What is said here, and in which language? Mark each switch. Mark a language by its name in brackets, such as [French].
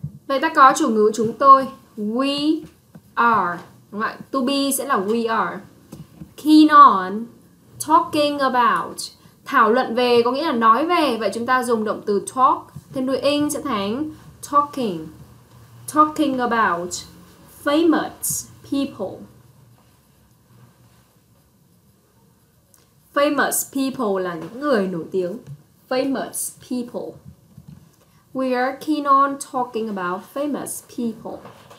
[Vietnamese] Vậy ta có chủ ngữ chúng tôi, [English] we are, [Vietnamese] đúng không ạ? To be sẽ là we are. [English] Keen on, talking about, [Vietnamese] thảo luận về có nghĩa là nói về. Vậy chúng ta dùng động từ talk, thêm đuôi ing sẽ thành talking. [English] Talking about famous people. [Vietnamese] Famous people là những người nổi tiếng. [English] Famous people. We are keen on talking about famous people.